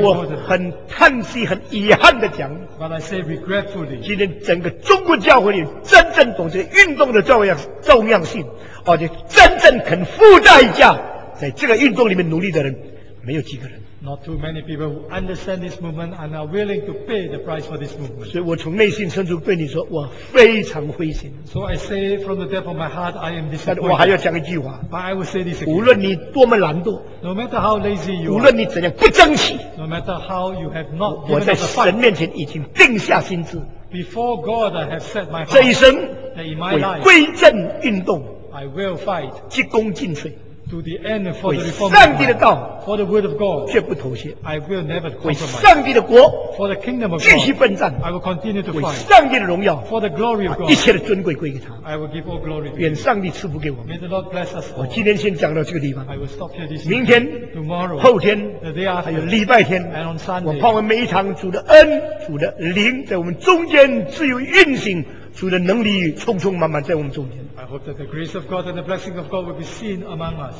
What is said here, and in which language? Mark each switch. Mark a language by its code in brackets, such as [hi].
[zh] 我很叹息很遗憾地讲 [en] But I say regretfully, [zh] 今天整个中国教会里真正懂这个运动的重要性而且真正肯付代价在这个运动里面努力的人没有几个人 [en] Not too many people who understand this movement and are willing to pay the price for this movement. [zh] 所以我从内心深处对你说，我非常灰心。 [en] So I say from the depth of my heart, I am disappointed. [zh] 但我还要讲一句话。 [en] But I will say this again. [zh] 无论你多么懒惰 [en] ，No matter how lazy you are. [zh] 无论你怎样不争气 [en] ，No matter how you have not given up the fight. [zh] 我在神面前已经定下心志。 [en] Before God, I have set my heart. [zh] 这一生 [en] ，In my life, [zh] 归正运动 [en] ，I will fight. [zh] 鞠躬尽瘁。 [en] to the end for the reform. [zh] 为上帝的道 [en] for the word of God, [zh] 绝不妥协。 [en] I will never compromise. [zh] 为上帝的国 [en] for the kingdom of God, [zh] 继续奋战。 [en] I will continue to fight. [zh] 为上帝的荣耀 [en] for the glory of God, [zh] 一切的尊贵归给他。 [en] I will give all glory. [zh] 愿上帝赐福给我们。 [en] May the Lord bless us. [zh] 我今天先讲到这个地方。 [en] I will stop here this. [zh] 明天 [en] tomorrow, [zh] 后天 [en] the day after, [zh] 还有礼拜天 [en] and on Sunday, [zh] 我盼望每一场主的恩主的灵在我们中间自由运行主的能力充充满满在我们中间。 [en] I hope that the grace of God and the blessing of God will be seen among us.